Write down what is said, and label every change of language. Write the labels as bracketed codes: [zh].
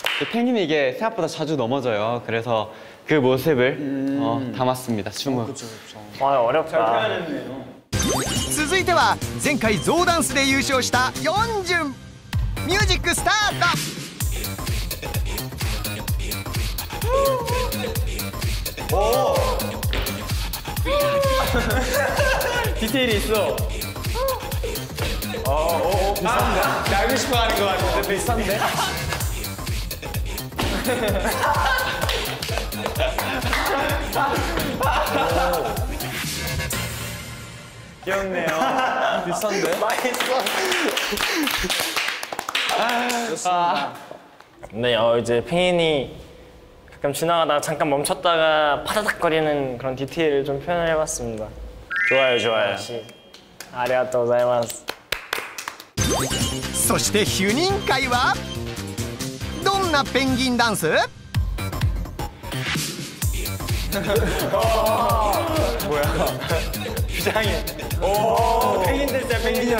[ko] 펭귄이 이게 생각보다 자주 넘어져요. 그래서 그 모습을 담았습니다. 춤을. 와요, 어렵다. [ja] 続いては前回 ゾウダンスで 優勝した 연준. [ko] 뮤직 스타트. 오. 디테일이 있어. 비슷한데? 나 알고 싶어 하는 거 같은데 비슷한데? 귀엽네요. 비슷한데? 많이 써. 좋습니다. 네, 이제 페인이 가끔 지나가다가 잠깐 멈췄다가 파다닥거리는 그런 디테일을 좀 표현을 해봤습니다. 좋아요, 좋아요. 감사합니다. [ja] そしてヒュニン会はどんなペンギンダンス？ [ko] 뭐야 휴장이 오 [ja] ペンギンダンスやペンギンダン